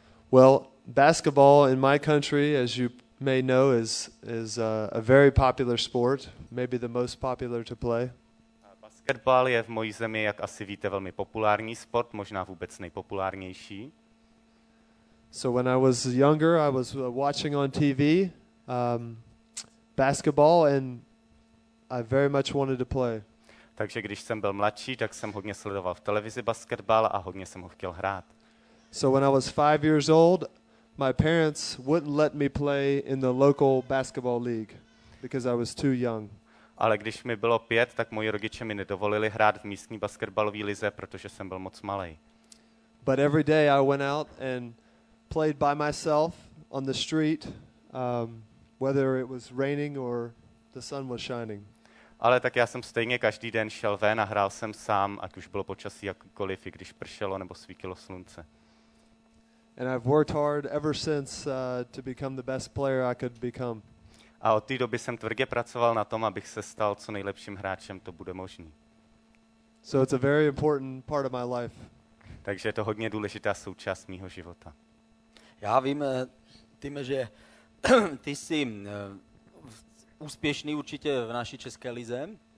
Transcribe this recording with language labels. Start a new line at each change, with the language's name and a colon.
English: Well, basketball in my country, as you may know, is a very popular sport, maybe the most popular to play.
Czech: Basketbal je v mojí zemi, jak asi víte, velmi populární sport, možná vůbec nejpopulárnější.
English: So when I was younger, I was watching on TV basketball and I very much wanted to play.
Czech: Takže když jsem byl mladší, tak jsem hodně sledoval v televizi basketbal a hodně jsem ho chtěl hrát.
English: So when I was 5 years old, my parents wouldn't let me play in the local basketball league because I was too young.
Czech: Ale když mi bylo 5, tak moji rodiče mi nedovolili hrát v místní basketbalové lize, protože jsem byl moc malý.
English: But every day I went out and played by myself on the street, whether it was raining or the sun was shining.
Czech: Ale tak já jsem stejně každý den šel ven a hrál jsem sám, ať už bylo počasí jakkoliv, i když pršelo nebo svítilo slunce.
English: And I've worked hard ever since to become the best player I could become.
Czech: A od té doby jsem tvrdě pracoval na tom, abych se stal co nejlepším hráčem, to bude možný.
English: So it's a very important part of my life.
Czech: Takže je to hodně důležitá součást mýho života. Já vím, Tyme, že ty jsi úspěšný určitě v naší české lize.